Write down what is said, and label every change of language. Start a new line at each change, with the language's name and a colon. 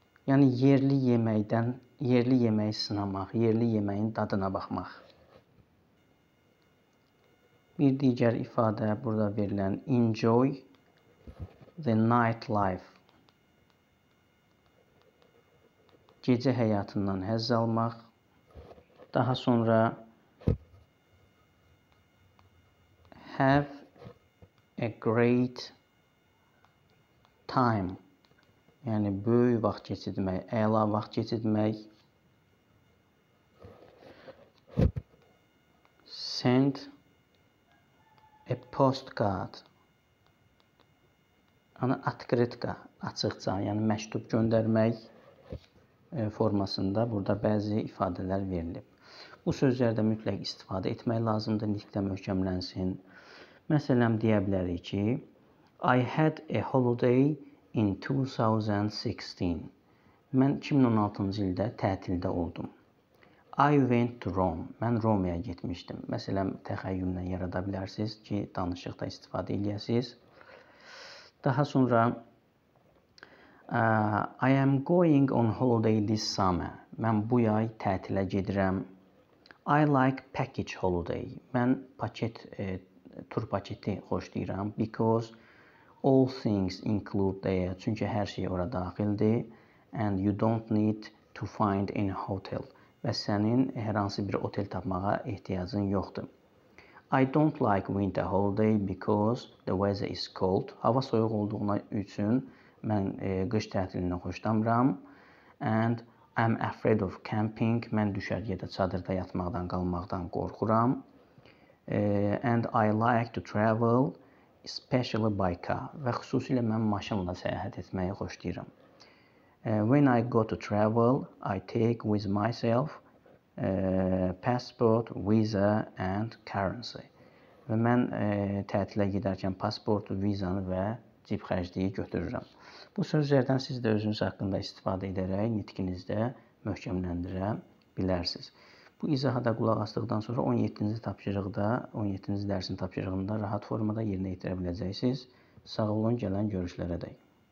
Azerbaijani: Yəni yerli yeməkdən, yerli yeməyi sınamaq, yerli yeməyin dadına baxmaq. Bir digər ifadə burada verilən
English: enjoy the nightlife.
Azerbaijani: Gecə həyatından həzz almaq. Daha sonra
English: have a great time.
Azerbaijani: Yəni böyük vaxt keçirmək, əla vaxt keçirmək.
English: Send a postcard.
Azerbaijani: Yəni atkritka, açıqca, yəni məktub göndərmək formasında burada bəzi ifadələr verilib. Bu sözlərdə mütləq istifadə etmək lazımdır, nitq də möhkəmlənsin. Məsələn, deyə bilərik ki,
English: I had a holiday in 2016.
Azerbaijani: Mən 2016-cı ildə tətildə oldum.
English: I went to Rome.
Azerbaijani: Mən Romaya getmişdim. Məsələn, təxəyyülünə yarada bilərsiniz ki, danışıqda istifadə eləyəsiniz. Daha sonra
English: I am going on holiday this summer.
Azerbaijani: Mən bu yay tətilə gedirəm.
English: I like package holiday.
Azerbaijani: Mən paket, tur paketi xoşlayıram.
English: Because all things include there.
Azerbaijani: Çünki hər şey ora daxildir.
English: And you don't need to find any hotel.
Azerbaijani: Və sənin hər hansı bir otel tapmağa ehtiyacın yoxdur.
English: I don't like winter holiday because the weather is cold.
Azerbaijani: Hava soyuq olduğuna üçün mən qış tətilini xoşlamıram.
English: And I'm afraid of camping.
Azerbaijani: Mən düşərgədə çadırda yatmaqdan, qalmaqdan qorxuram.
English: And I like to travel especially by car.
Azerbaijani: Və xüsusilə mən maşınla səyahət etməyi xoşlayıram.
English: When I go to travel, I take with myself passport, visa and currency.
Azerbaijani: Və mən tətilə gedərkən pasportu, vizanı və cib xərcliyi götürürəm. Bu sözlərdən siz də özünüz haqqında istifadə edərək nitqinizdə möhkəmləndirə bilərsiniz. Bu izaha da qulaq asdıqdan sonra 17-ci tapşırıqda, 17-ci dərsin tapşırığında rahat formada yerinə yetirə biləcəksiniz. Sağ olun, gələn görüşlərə dək.